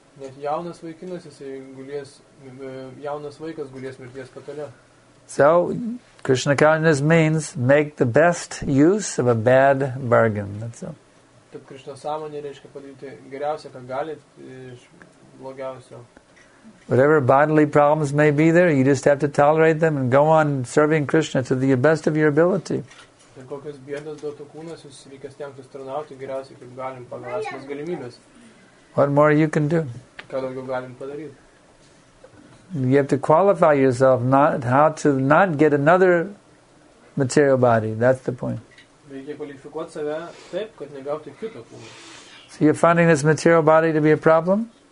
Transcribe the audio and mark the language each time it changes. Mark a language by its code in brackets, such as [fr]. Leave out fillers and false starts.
[lt] Net jaunas vaikinas, jisai gulės, jaunas vaikas gulės mirties patale. [en] So, Krishna consciousness means make the best use of a bad bargain. That's all. [lt] Taip, Krishna sąmonė reiškia padaryti geriausia, ką galit iš blogiausio. [en] Whatever bodily problems may be there, you just have to tolerate them and go on serving Krishna to the best of your ability. [lt] Ir kokios bėdos duotų kūnas, jūs reikia stengtis tarnauti geriausiai, kaip galim pagal esamas galimybės. [en] What more you can do? [lt] Ką daugiau galim padaryti? [en] You have to qualify yourself not how to not get another material body. That's the point. [lt] Reikia kvalifikuoti save taip, kad negauti kito kūno. [en] So you're finding this material body to be a problem?